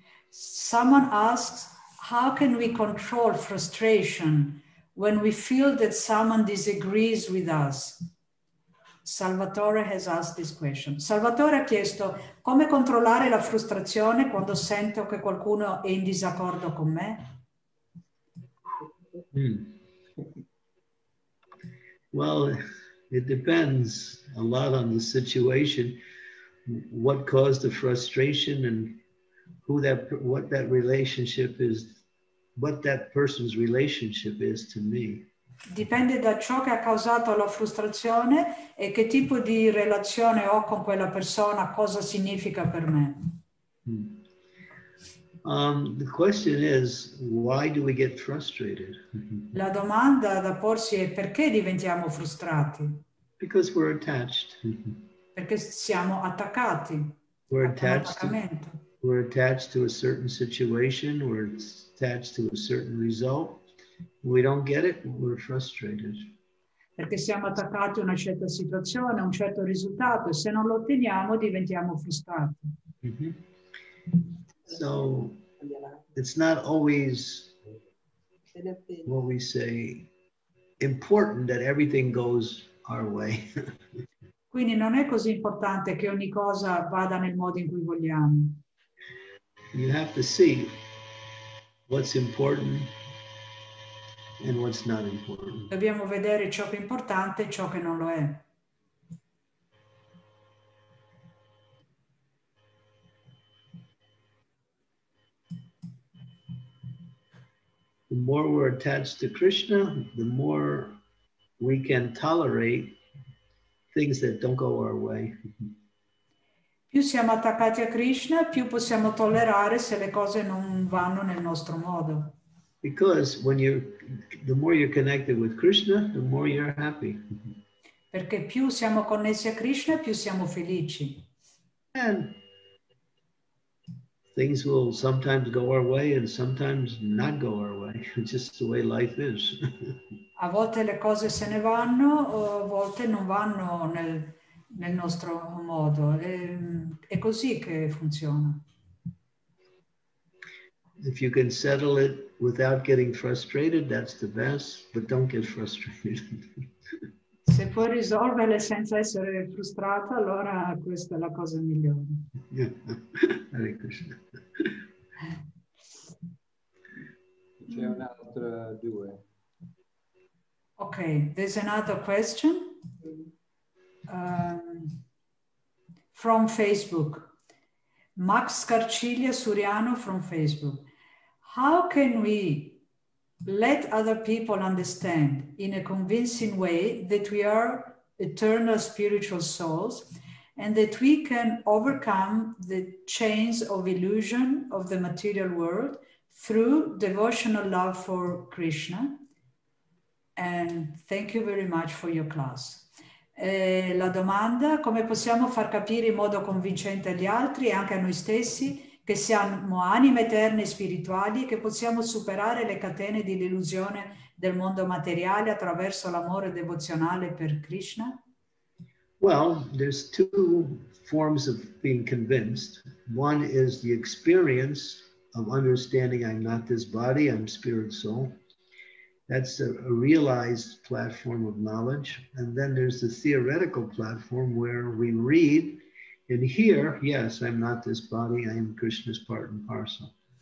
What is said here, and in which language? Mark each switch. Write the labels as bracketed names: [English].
[English] Someone asks, how can we control frustration when we feel that someone disagrees with us? Salvatore has asked this question. [Italian] Salvatore ha chiesto, come controllare la frustrazione quando sento che qualcuno è in disaccordo con me? [English] Well, it depends a lot on the situation, what caused the frustration and what that person's relationship is to me. [Italian] Dipende da ciò che ha causato la frustrazione e che tipo di relazione ho con quella persona, cosa significa per me. [English] The question is, why do we get frustrated? [Italian] La domanda da porsi è perché diventiamo frustrati? [English] Because we're attached. [Italian] Perché siamo attaccati. [English] We're attached to a certain situation, we're attached to a certain result. We don't get it, we're frustrated. [Italian] Perché siamo attaccati a una certa situazione, a un certo risultato, e se non lo otteniamo diventiamo frustrati. [English] So it's not always what we say important that everything goes our way. [Italian] Quindi non è così importante che ogni cosa vada nel modo in cui vogliamo. [English] You have to see what's important and what's not important. [Italian] Dobbiamo vedere ciò che è importante e ciò che non lo è. [English] The more we're attached to Krishna, the more we can tolerate things that don't go our way. [Italian] Più siamo attaccati a Krishna, più possiamo tollerare se le cose non vanno nel nostro modo. [English] Because the more you're connected with Krishna, the more you're happy. [Italian] Perché più siamo connessi a Krishna, più siamo felici. [English] And things will sometimes go our way and sometimes not go our way. It's just the way life is. [Italian] A volte le cose se ne vanno, o a volte non vanno nel nostro modo. È così che funziona. [English] If you can settle it without getting frustrated, that's the best, but don't get frustrated. [Italian] Se puoi risolverle senza essere frustrato, allora questa è la cosa migliore. [English] Hare Krishna. [Italian] C'è un'altra due. [English] Ok, there's another question. From Facebook. Max Scarciglia Suriano from Facebook. How can we let other people understand in a convincing way that we are eternal spiritual souls and that we can overcome the chains of illusion of the material world through devotional love for Krishna? And thank you very much for your class. [Italian] La domanda, come possiamo far capire in modo convincente agli altri e anche a noi stessi che siamo anime eterne e spirituali e che possiamo superare le catene di illusione del mondo materiale attraverso l'amore devozionale per Krishna? [English] Well, there's two forms of being convinced. One is the experience of understanding I'm not this body, I'm spirit soul. That's a realized platform of knowledge. And then there's the theoretical platform where we read and hear, yes, I'm not this body, I am Krishna's part and parcel.